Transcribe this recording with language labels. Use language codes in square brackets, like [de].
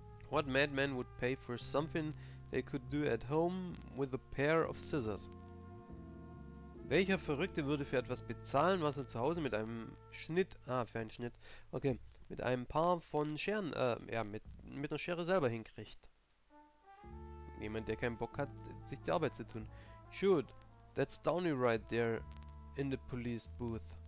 [en] What madman would pay for something they could do at home with a pair of scissors? [de] Welcher Verrückte würde für etwas bezahlen, was er zu Hause mit einem Schnitt. Ah, für einen Schnitt. Okay. Mit einem Paar von Scheren. Ja, mit einer Schere selber hinkriegt. Jemand, der keinen Bock hat, sich die Arbeit zu tun. [en] Shoot. That's Downey right there in the police booth.